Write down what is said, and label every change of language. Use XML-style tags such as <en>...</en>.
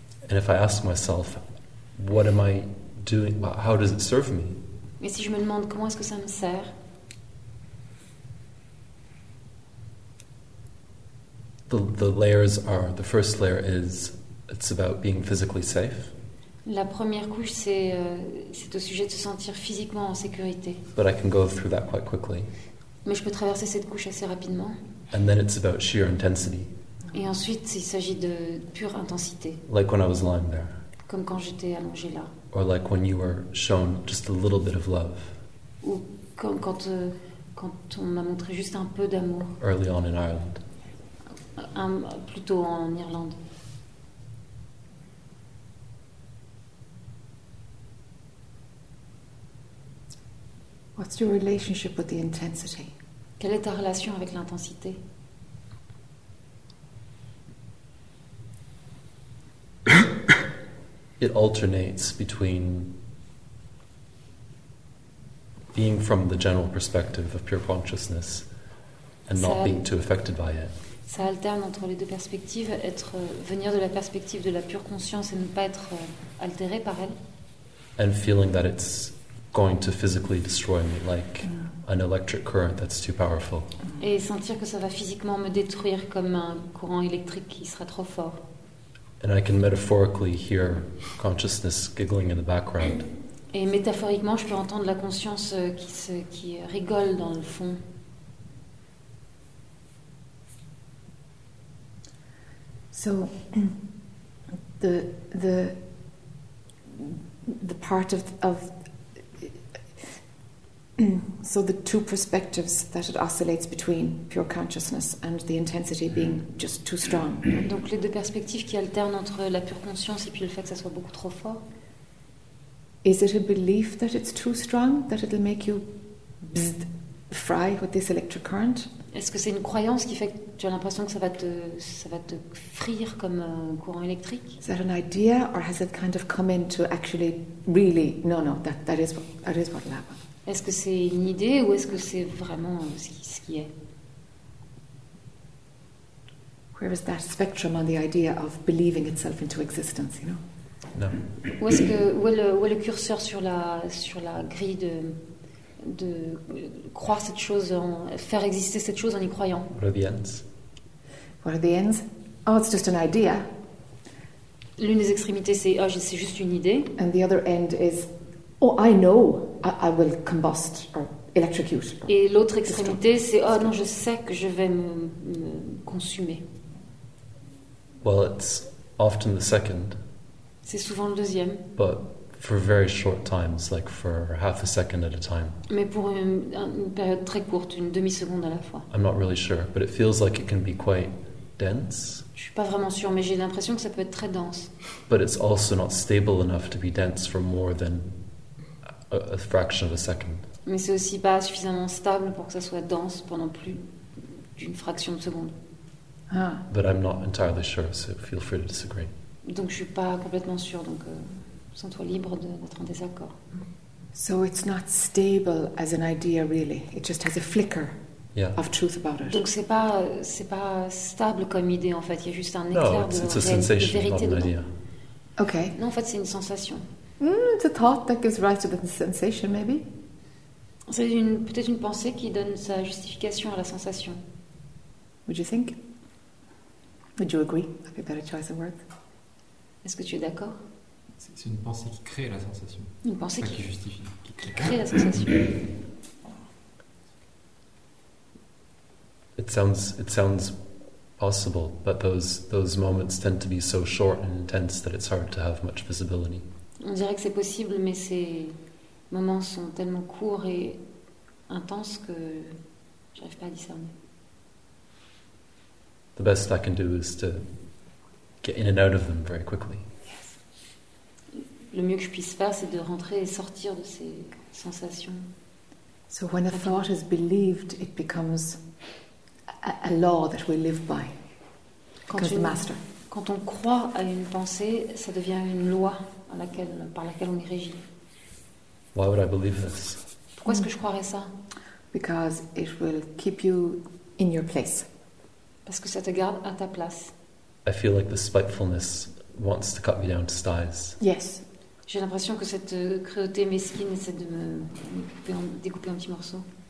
<en>And if I ask myself, what am I doing? How does it serve me?</en> <fr>Mais si je me demande comment est-ce que ça me sert?</fr> <en>The layers are, the first layer is, it's about being physically safe.</en> <fr>La première couche, c'est au sujet de se sentir physiquement en sécurité.</fr> <en>But I can go through that quite quickly.</en> <fr>Mais je peux traverser cette couche assez rapidement.</fr> <en>And then it's about sheer intensity.</en> <fr>Et ensuite, il s'agit de pure intensité.</fr> <en>Like when I was lying there.</en> <fr>Comme quand j'étais allongée là.</fr> <en>Or like when you were shown just a little bit of love.</en> <fr>Ou quand on m'a montré juste un peu d'amour.</fr> <en>Early on in Ireland.</en> <fr>Plutôt en Irlande.</fr> <en>What's your relationship with the intensity?</en> <fr>Quelle est ta relation avec l'intensité?</fr> <en>It alternates between being from the general perspective of pure consciousness and not being too affected by it.</en> <fr>Ça alterne entre les deux perspectives, venir de la perspective de la pure conscience et ne pas être altéré par elle.</fr> <en>And feeling that it's going to physically destroy me, like an electric current that's too powerful.</en> <fr>Et sentir que ça va physiquement me détruire comme un courant électrique qui sera trop fort.</fr> <en>And I can metaphorically hear consciousness giggling in the background.</en> <fr>Et métaphoriquement, je peux entendre la conscience qui rigole dans le fond.</fr> <en>So the part of so the two perspectives that it oscillates between, pure consciousness and the intensity being just too strong.</en> <fr>Donc les deux perspectives qui alternent entre la pure conscience et puis le fait que ça soit beaucoup trop fort.</fr> <en>Is it a belief that it's too strong, that it'll make you fry with this electric current?</en> <fr>Est-ce que c'est une croyance qui fait que tu as l'impression que ça va te frire comme un courant électrique?</fr> <en>Is that an idea or has it kind of come in to actually really, no, that is what will happen.</en> <fr>Est-ce que c'est une idée ou est-ce que c'est vraiment ce qui est?</fr> <en>Where is that spectrum on the idea of believing itself into existence, you know? No.</en> <fr>Où est le curseur sur la grille de croire cette chose, en faire exister cette chose en y croyant?</fr> <en>What are the ends? Oh, it's just an idea.</en> <fr>L'une des extrémités, c'est juste une idée.</fr> <en>And the other end is, oh, I know I will combust or electrocute.</en> <fr>Et l'autre extrémité, c'est, oh non, je sais que je vais me consumer.</fr> <en>Well, it's often the second.</en> <fr>C'est souvent le deuxième.</fr> <en>But for very short times, like for half a second at a time.</en> <fr>Mais pour une période très courte, une demi-seconde à la fois.</fr> <en>I'm not really sure, but it feels like it can be quite dense.</en> <fr>Je suis pas vraiment sûre, mais j'ai l'impression que ça peut être très dense.</fr> <en>But it's also not stable enough to be dense for more than a fraction of a second.</en> <fr>Mais c'est aussi pas suffisamment stable pour que ça soit dense pendant plus d'une fraction de seconde. Ah.</fr> <en>But I'm not entirely sure, so feel free to disagree.</en> <fr>Donc je suis pas complètement sûre, donc sens-toi libre d'être en désaccord.</fr> <en>So it's not stable as an idea really. It just has a flicker of truth about it.</en> <fr>Donc c'est pas stable comme idée en fait. Il y a juste un éclair de vérité dedans.</fr> <en>Idea. Okay.</en> <fr>Non, en fait c'est une sensation.</fr> <en>It's a thought that gives rise to the sensation, maybe.</en> <fr>C'est peut-être une pensée qui donne sa justification à la sensation.</fr> <en>Would you think? Would you agree? I think that a choice of words.</en> <fr>Est-ce que tu es d'accord? C'est une pensée qui crée la sensation. Une pensée qui justifie. Qui crée la sensation.</fr> <en>It sounds possible, but those moments tend to be so short and intense that it's hard to have much visibility.</en> <fr>On dirait que c'est possible, mais ces moments sont tellement courts et intenses que j'arrive pas à discerner.</fr> <en>The best I can do is to get in and out of them very quickly.</en> <fr>Le mieux que je puisse faire, c'est de rentrer et sortir de ces sensations.</fr> <en>So when a thought is believed, it becomes a law that we live by.</en> <fr>Quand on croit à une pensée, ça devient une loi par laquelle on est régi.</fr> <en>Why would I believe this?</en> <fr>Pourquoi est-ce que je croirais ça?</fr> <en>Because it will keep you in your place.</en> <fr>Parce que ça te garde à ta place.</fr> <en>I feel like the spitefulness wants to cut me down to styes. Yes.</en> <fr>J'ai l'impression que cette cruauté mesquine essaie de me découper en petits morceaux.</fr>